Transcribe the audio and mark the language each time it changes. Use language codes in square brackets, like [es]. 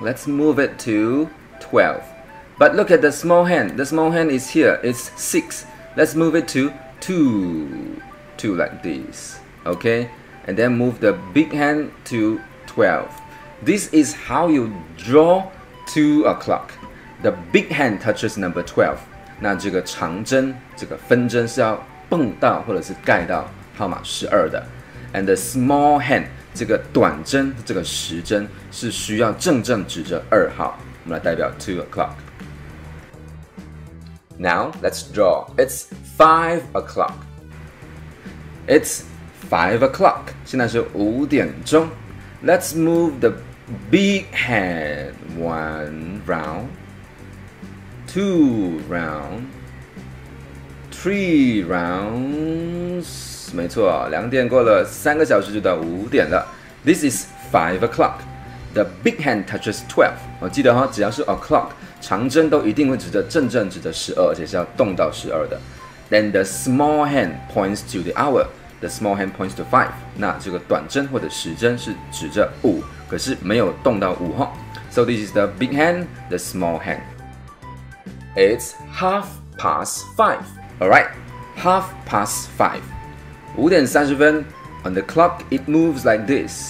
[en] Let's move it to 12. But look at the small hand. The small hand is here. It's 6. Let's move it to 2. 2 like this. Okay? And then move the big hand to 12. This is how you draw 2 o'clock. The big hand touches number 12. [zh] 那这个长针，这个分针是要蹦到或者是盖到号码12的。 [en] And the small hand, [zh] 这个短针，这个时针是需要正正指着2号。我们来代表2 o'clock. [en] Now, let's draw. It's 5 o'clock. It's 5 o'clock. [zh] 现在是5点钟。 [en] Let's move the big hand 1 round, 2 round, 3 rounds. [zh] 没错，两点过了，三个小时就到五点了。 [en] This is 5 o'clock. The big hand touches 12. [zh] 我记得哈，只要是 o'clock, 长针都一定会指着正正指着十二，而且是要动到十二的。 [en] Then the small hand points to the hour. The small hand points to 5. [zh] 那这个短针或者时针是指着5，可是没有动到5号。 [en] So this is the big hand, the small hand. It's 5:30. All right, 5:30. 5点30分 on the clock, it moves like this.